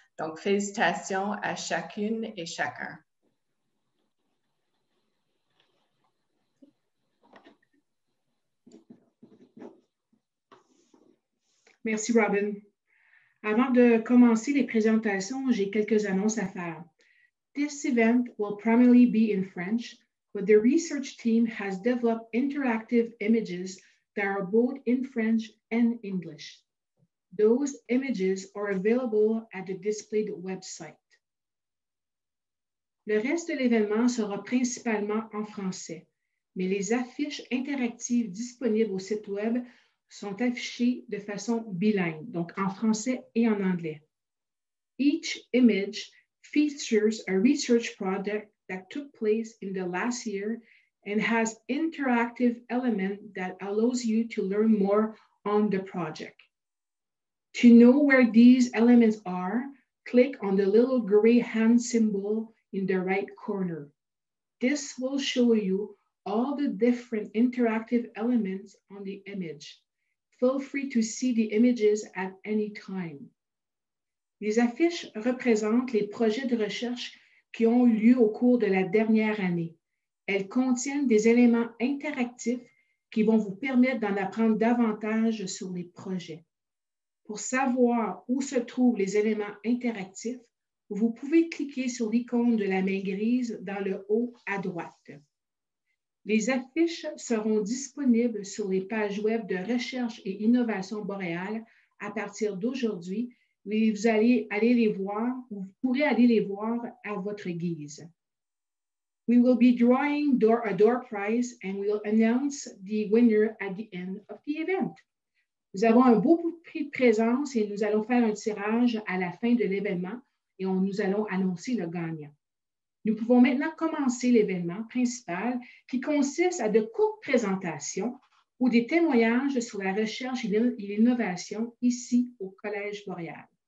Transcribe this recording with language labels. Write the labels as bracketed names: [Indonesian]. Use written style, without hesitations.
[French] Donc, félicitations à chacune et chacun. Merci, Robin. Avant de commencer les présentations, j'ai quelques annonces à faire. [English] This event will primarily be in French, but the research team has developed interactive images that are both in French and English. Those images are available at the displayed website. Le reste de l'événement sera principalement en français, mais les affiches interactives disponibles au site web sont affichées de façon bilingue, donc en français et en anglais. Each image features a research project that took place in the last year and has interactive element that allows you to learn more on the project. To know where these elements are, click on the little gray hand symbol in the right corner. This will show you all the different interactive elements on the image. Feel free to see the images at any time. [French] Les affiches représentent les projets de recherche qui ont eu lieu au cours de la dernière année. Elles contiennent des éléments interactifs qui vont vous permettre d'en apprendre davantage sur les projets. Pour savoir où se trouvent les éléments interactifs, vous pouvez cliquer sur l'icône de la main grise dans le haut à droite. Les affiches seront disponibles sur les pages web de Recherche et Innovation Boréal à partir d'aujourd'hui, mais vous allez aller les voir, ou vous pourrez aller les voir à votre guise. [English] We will be drawing a door prize and we will announce the winner at the end of the event. [French] Nous avons un beau prix de présence et nous allons faire un tirage à la fin de l'événement et nous allons annoncer le gagnant. Nous pouvons maintenant commencer l'événement principal qui consiste à de courtes présentations ou des témoignages sur la recherche et l'innovation ici au Collège Boréal.